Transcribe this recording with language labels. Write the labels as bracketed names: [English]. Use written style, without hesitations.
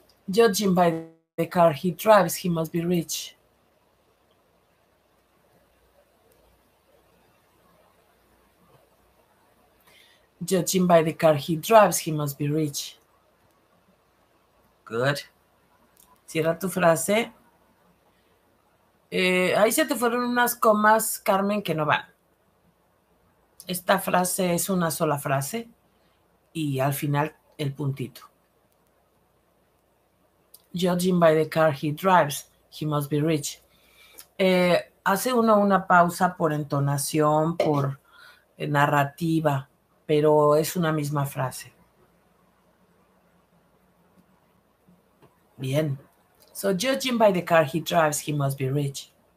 [English] Judging by the car he drives, he must be rich. Judging by the car he drives, he must be rich. Good. [Spanish] Cierra tu frase. Ahí se te fueron unas comas, Carmen, que no van. Esta frase es una sola frase y al final el puntito. [English] Judging by the car he drives, he must be rich. [Spanish] Hace uno una pausa por entonación, por narrativa, pero es una misma frase. Bien. [English] So, judging by the car he drives, he must be rich.